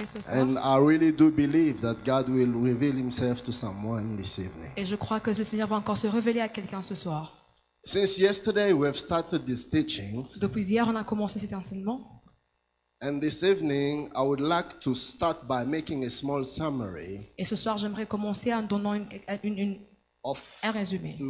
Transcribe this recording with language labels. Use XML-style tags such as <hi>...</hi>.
<en>And I really do believe that God will reveal himself to someone this evening.</en> <fr>Et je crois que le Seigneur va encore se révéler à quelqu'un ce soir.</fr> <en>Since yesterday we have started these teachings.</en> <fr>Depuis hier on a commencé cet enseignement.</fr> <en>And this evening I would like to start by making a small summary.</en> <fr>Et ce soir j'aimerais commencer en donnant un résumé.</fr>